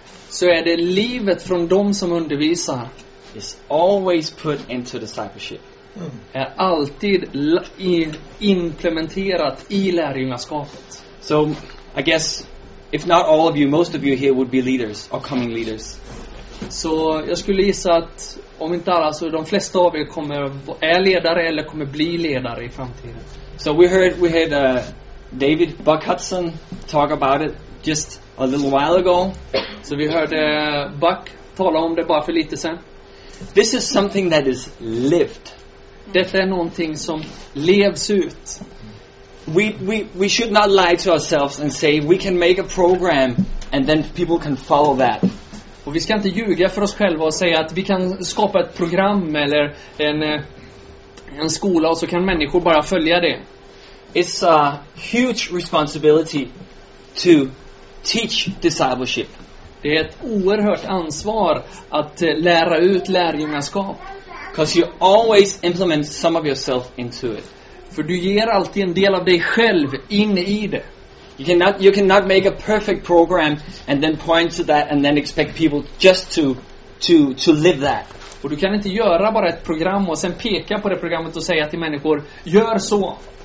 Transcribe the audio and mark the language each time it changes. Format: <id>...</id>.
<sv>Så är det livet från dem som undervisar.</sv> <en>Is always put into discipleship.</en> <sv>Är alltid implementerat i lärjungaskapet.</sv> <en>So I guess if not all of you, most of you here would be leaders or coming leaders.</en> <sv>Så jag skulle gissa att om inte alla, så de flesta av er kommer är ledare eller kommer bli ledare i framtiden.</sv> <en>So we heard David Buck Hudson talk about it just a little while ago.</en> <sv>Så vi hörde Buck tala om det bara för lite sen.</sv> <en>This is something that is lived.</en> <sv>Detta är någonting som levs ut.</sv> <en>We should not lie to ourselves and say we can make a program and then people can follow that.</en> <sv>Och vi ska inte ljuga för oss själva och säga att vi kan skapa ett program eller en skola och så kan människor bara följa det.</sv> <en>It's a huge responsibility to teach discipleship.</en> <sv>Det är ett oerhört ansvar att lära ut lärjungaskap.</sv> <en>Because you always implement some of yourself into it.</en> <sv>För du ger alltid en del av dig själv in i det.</sv> <en>You cannot make a perfect program and then point to that and then expect people just to live that.</en> <sv>Och du kan inte göra bara ett program och sen peka på det programmet och säga till människor, gör så.</sv>